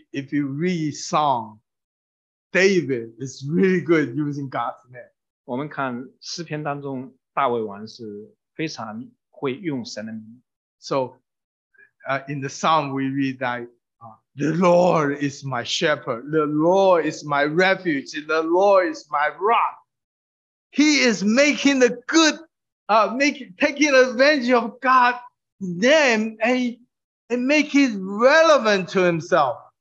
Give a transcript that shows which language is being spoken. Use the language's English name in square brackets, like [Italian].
[English] If you read Psalm, David is really good using God's name. [Chinese] 我们看诗篇当中，大卫王是非常会用神的名。 [English] So, in the Psalm, we read that the Lord is my shepherd, the Lord is my refuge, the Lord is my rock. He is making the good, taking advantage of God's name and make it relevant to himself.